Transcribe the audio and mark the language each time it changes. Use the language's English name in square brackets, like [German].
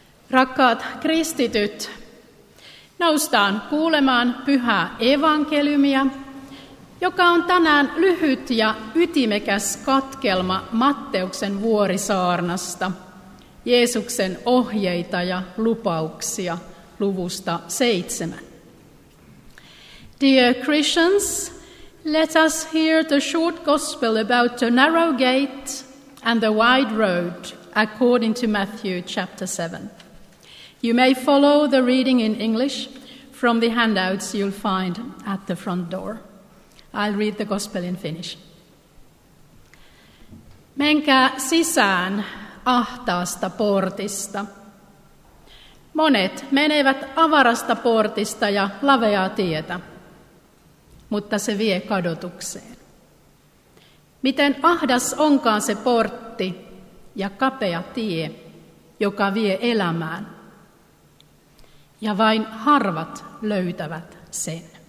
[Finnish] Rakkaat kristityt, noustaan kuulemaan pyhää evankeliumia, joka on tänään lyhyt ja ytimekäs katkelma Matteuksen vuorisaarnasta, Jeesuksen ohjeita ja lupauksia luvusta 7. [English] Dear Christians, let us hear the short gospel about the narrow gate and the wide road, according to Matthew chapter 7. You may follow the reading in English from the handouts you'll find at the front door. I'll read the gospel in Finnish. [Finnish] Menkää sisään ahtaasta portista. Monet menevät avarasta portista ja laveaa tietä, mutta se vie kadotukseen. Miten ahdas onkaan se portti ja kapea tie, joka vie elämään, ja vain harvat löytävät sen.